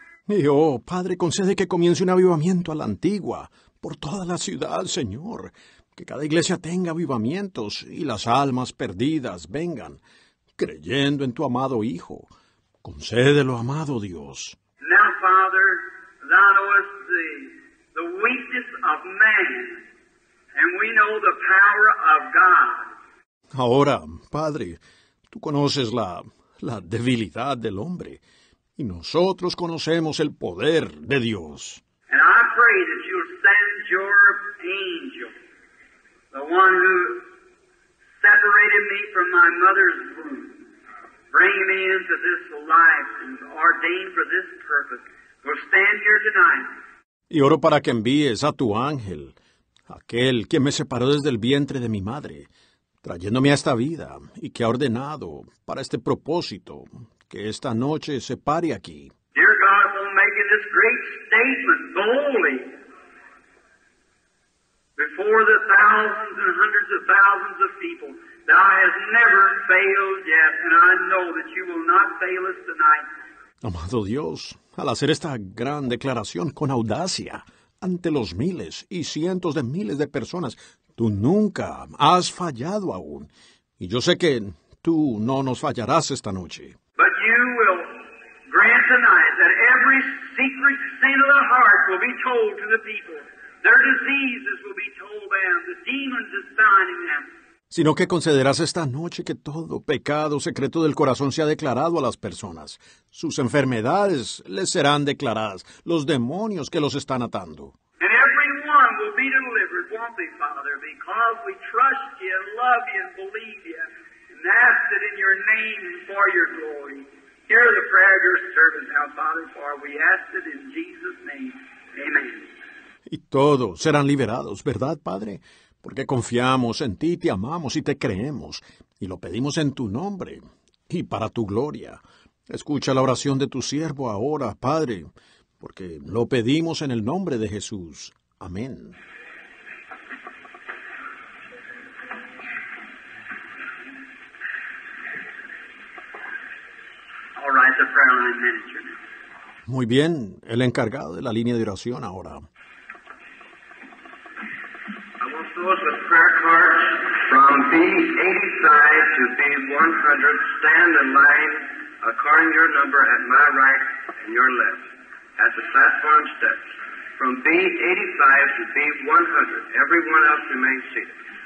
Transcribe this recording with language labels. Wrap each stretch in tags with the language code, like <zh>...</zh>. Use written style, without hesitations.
<es>Y oh, Padre, concede que comience un avivamiento a la antigua, por toda la ciudad, Señor. Que cada iglesia tenga avivamientos y las almas perdidas vengan, creyendo en tu amado Hijo. Concédelo, amado Dios.</es> <en>Now, Father, thou knowest the weakness of man, and we know the power of God.</en> <es>Ahora, Padre, tú conoces la debilidad del hombre, y nosotros conocemos el poder de Dios.</es> <en>And I pray that you'll send your angel, the one who separated me from my mother's womb, bring me into this life and ordained for this purpose. We'll stand here tonight.</en> <es>Y oro para que envíes a tu ángel, aquel que me separó desde el vientre de mi madre, trayéndome a esta vida y que ha ordenado para este propósito que esta noche se pare aquí.</es> <en>Dear God, I'm making this great statement boldly before the thousands and hundreds of thousands of people. Thou hast never failed yet, and I know that you will not fail us tonight.</en> <es>Amado Dios, al hacer esta gran declaración con audacia ante los miles y cientos de miles de personas, tú nunca has fallado aún. Y yo sé que tú no nos fallarás esta noche.</es> <en>But you will grant tonight that every secret sin of the heart will be told to the people. Their diseases will be told them. The demons are signing them.</en> <es>Sino que concederás esta noche que todo pecado secreto del corazón sea declarado a las personas. Sus enfermedades les serán declaradas, los demonios que los están atando.</es> <en>And everyone will be delivered, won't they, Father, because we trust you, love you, and believe you, and ask that in your name and for your glory. Hear the prayer of your servant now, Father, for we ask it in Jesus' name. Amen.</en> <es>Y todos serán liberados, ¿verdad, Padre? Porque confiamos en ti, te amamos y te creemos, y lo pedimos en tu nombre y para tu gloria. Escucha la oración de tu siervo ahora, Padre, porque lo pedimos en el nombre de Jesús. Amén.</es> <en>All right, the prayer line manager.</en> <es>Muy bien, el encargado de la línea de oración ahora.</es> <en>Those with prayer cards from B85 to B100 stand in line according to your number at my right and your left at the platform steps. From B85 to B100, everyone else remains seated.</en>